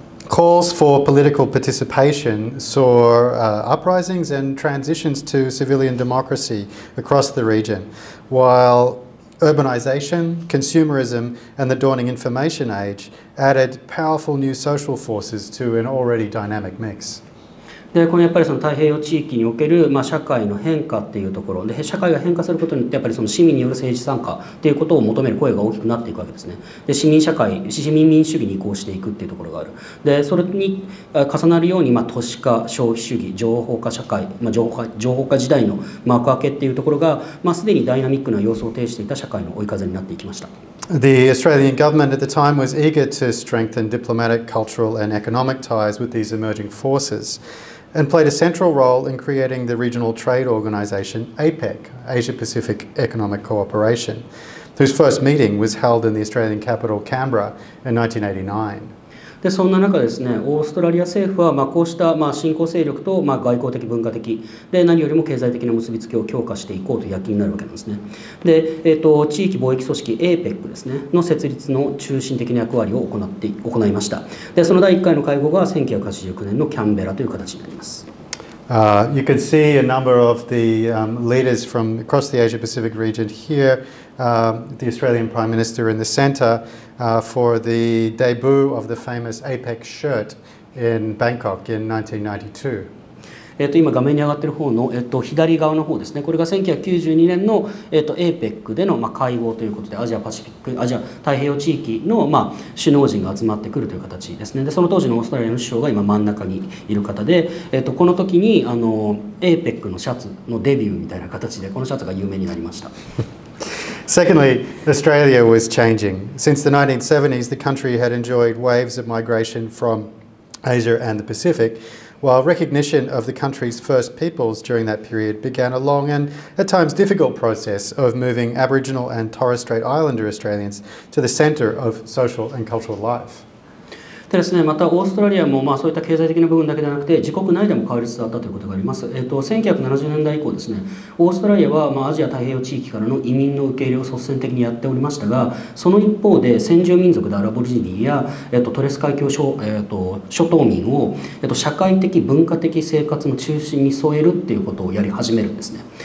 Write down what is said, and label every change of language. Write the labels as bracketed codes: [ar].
[en] Calls for political participation saw uprisings and transitions to civilian democracy across the region, while urbanization, consumerism, and the dawning information age added powerful new social forces to an already dynamic mix. [ja] でこのやっぱりその太平洋地域における、まあ、社会の変化っていうところで社会が変化することによってやっぱりその市民による政治参加っていうことを求める声が大きくなっていくわけですね。で市民社会市民民主主義に移行していくっていうところがある。でそれに重なるように、まあ、都市化消費主義情報化社会、まあ、情報化時代の幕開けっていうところが、まあ、すでにダイナミックな様相を呈していた社会の追い風になっていきました。 [en] The Australian government at the time was eager to strengthen diplomatic, cultural and economic ties with these emerging forces. And played a central role in creating the regional trade organization APEC, Asia Pacific Economic Cooperation, whose first meeting was held in the Australian capital Canberra in 1989. [ja] でそんな中ですね、オーストラリア政府は、まあ、こうした、まあ、新興勢力と、まあ、外交的、文化的で、何よりも経済的な結びつきを強化していこうという躍起になるわけなんですね。で、地域貿易組織 APEC ですね、の設立の中心的な役割を行いました。で、その第1回の会合が1989年のキャンベラという形になります。 [en] You can see a number of the leaders from across the Asia-Pacific region here, the Australian Prime Minister in the center,for the debut of the famous APEC shirt in Bangkok in 1992. [ja] 今画面に上がっている方の、左側の方ですね。これが1992年の、APEC での、まあ、会合ということで、アジアパシフィック、アジア太平洋地域の、まあ、首脳陣が集まってくるという形ですね。で、その当時のオーストラリアの首相が今真ん中にいる方で、この時にAPEC のシャツのデビューみたいな形で、このシャツが有名になりました。 [en] Secondly, Australia was changing. Since the 1970s, the country had enjoyed waves of migration from Asia and the Pacific, while recognition of the country's first peoples during that period began a long and at times difficult process of moving Aboriginal and Torres Strait Islander Australians to the centre of social and cultural life. [ja] でですね、またオーストラリアもまあそういった経済的な部分だけではなくて自国内でも変わりつつあったということがあります。 1970年代以降ですね、オーストラリアはまあアジア太平洋地域からの移民の受け入れを率先的にやっておりましたが、その一方で先住民族でアラボリジニーや、トレス海峡 諸島民を、社会的文化的生活の中心に添えるっていうことをやり始めるんですね。